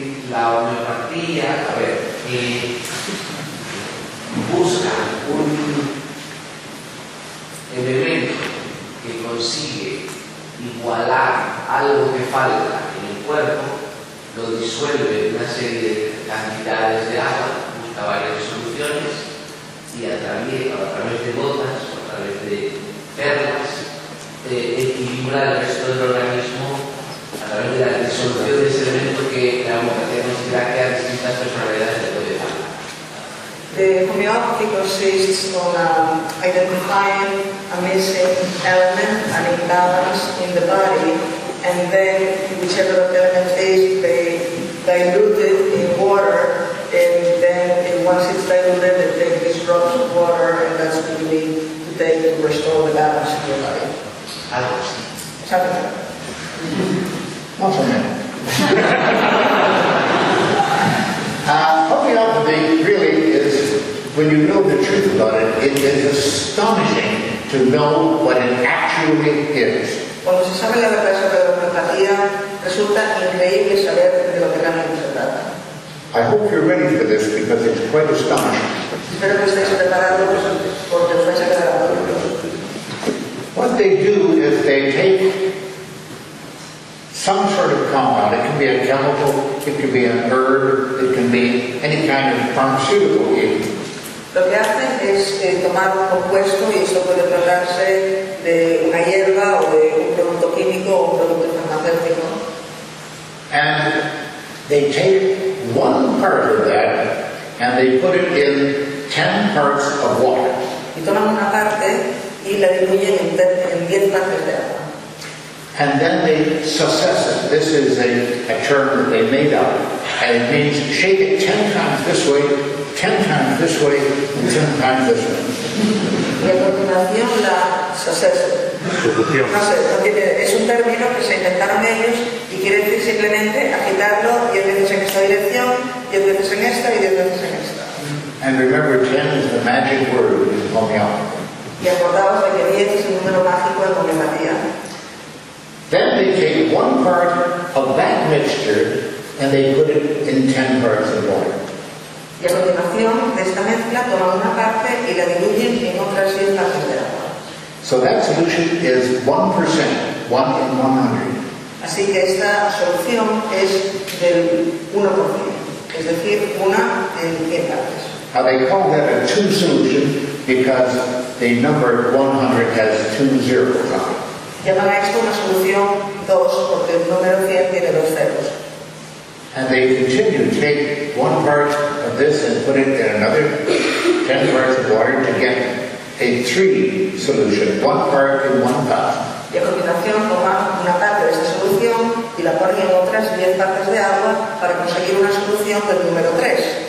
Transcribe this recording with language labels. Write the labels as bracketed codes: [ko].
[es] La homeopatía, a ver, busca un elemento que consigue igualar algo que falta en el cuerpo, lo disuelve en una serie de cantidades de agua, busca varias soluciones y a través de gotas, a través de perlas, equilibra el resto del organismo a través de la disolución de ese elemento que la homeopatía considera que a distintas personalidades le puede dar. [en] The homeopathy consists on identifying a missing element, an imbalance in the body, and then whichever the element is, they dilute it in water, and then and once it's diluted, they take these drops of water, and that's what you need to take to restore the balance in your body. Homeopathy really is, when you know the truth about it, it is astonishing to know what it actually is. [es] Cuando se sabe la verdad sobre la homeopatía, resulta increíble saber de lo que realmente se trata. [en] I hope you're ready for this because it's quite astonishing. [es] Espero que estéis preparados porque os vais a quedar atónitos. [en] What they do is they take some sort of compound. It can be a chemical, it can be an herb, it can be any kind of pharmaceutical even. [es] Lo que hacen es tomar un compuesto y eso puede tratarse de una hierba o de un producto químico o un producto farmacéutico. [en] And they take one part of that and they put it in 10 parts of water. [es] Y toman una parte y la diluyen en 10 partes de agua. [en] And then they success it. This is a term that they made up. And it means shake it 10 times this way, 10 times this way, and 10 times this way. [es] Y a continuación la succession. Es un término que se inventaron ellos y quiere decir simplemente agitarlo 10 veces en esta dirección, 10 veces en esta y 10 veces en esta. [en] And remember, 10 is the magic word in homeopathy. [es] Y acordaos de que 10 es el número mágico en homeopatía. [en] Then they take one part of that mixture and they put it in 10 parts of water. [es] Y a continuación, esta mezcla toma una parte y la diluyen en otras 10 partes de agua. [en] So that solution is 1%, 1 in 100. [es] Así que esta solución es del 1%, es decir, una en 100 partes. [en] Now they call that a 2 solution because the number 100 has 2 zeros on it. [es] Llaman a esto una solución 2 porque el número 100 tiene 2 ceros. [en] And they continue to take one part of this and put it in another 10 parts of water to get a 3 solution, one part in 1,000. [es] Y a continuación toma una parte de esta solución y la ponen en otras 10 partes de agua para conseguir una solución del número 3.